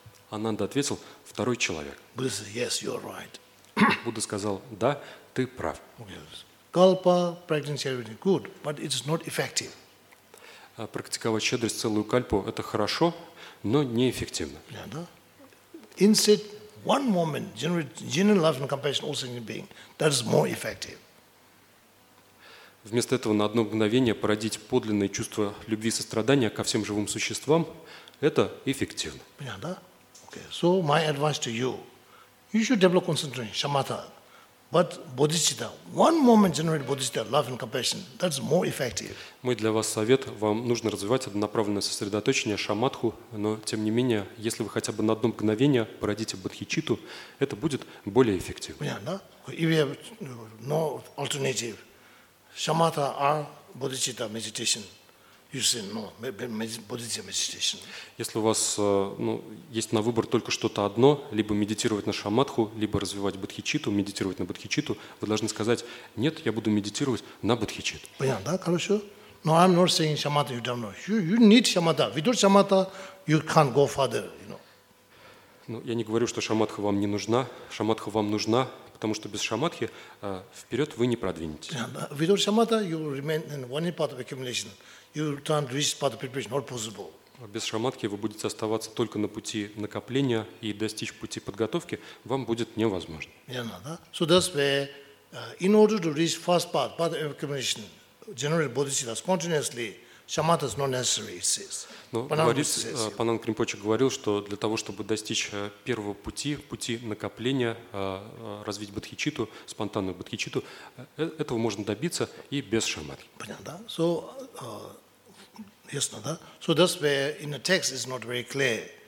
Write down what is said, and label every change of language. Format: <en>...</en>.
<ru>Ананда ответил, второй человек. Будда сказал, да, ты прав.</ru> <en>Калпа, practicing charity, good, but it's not effective.</en> <ru>Практиковать щедрость целую кальпу – это хорошо, но неэффективно.</ru> <en>Instead, one moment genuine love and compassion all sentient being – that is more effective.</en> <ru>Вместо этого на одно мгновение породить подлинное чувство любви и сострадания ко всем живым существам – это эффективно.</ru> <en>Okay. So my advice to you: you should develop concentration, shamatha, but bodhicitta. One moment generate bodhicitta, love and compassion – that is more effective.</en> <ru>Мой для вас совет, вам нужно развивать однонаправленное сосредоточение, шамадху, но тем не менее, если вы хотя бы на одно мгновение породите бодхичитту, это будет более эффективно.</ru> <en>No alternative. Shamatha or bodhicitta meditation. You say no, bodhicitta meditation.</en> <ru>Если у вас есть на выбор только что-то одно, либо медитировать на шамадху, либо развивать бодхичитту, медитировать на бодхичитту, вы должны сказать, нет, я буду медитировать на бодхичитту. Понятно, да, хорошо?</ru> <en>No, I'm not saying shamatha. You don't know. You need shamatha. Without shamatha, you can't go further. You know.</en> <ru>Ну, я не говорю, что шамадха вам не нужна. Шамадха вам нужна, потому что без шамадхи вперед вы не продвинетесь.</ru> <en>Yeah, without shamatha, you remain in one part of accumulation. You can't reach part of preparation. Not possible.</en> <ru>Без шамадхи вы будете оставаться только на пути накопления и достичь пути подготовки вам будет невозможно.</ru> <en>Yeah,</en> <ru>да?</ru> <en>So that's why, in order to reach first part of accumulation. Generate bodhicitta spontaneously. Shamatha is not necessary, it says.</en> <ru>Панан Кримпоче говорил, что для того, чтобы достичь первого пути, пути накопления, развить бодхичитту, спонтанную бодхичитту, этого можно добиться и без шамадхи. Понятно, да?</ru> <en>So, yes, no,</en> <ru>да?</ru> <en>So that's where in the text is not very clear.</en>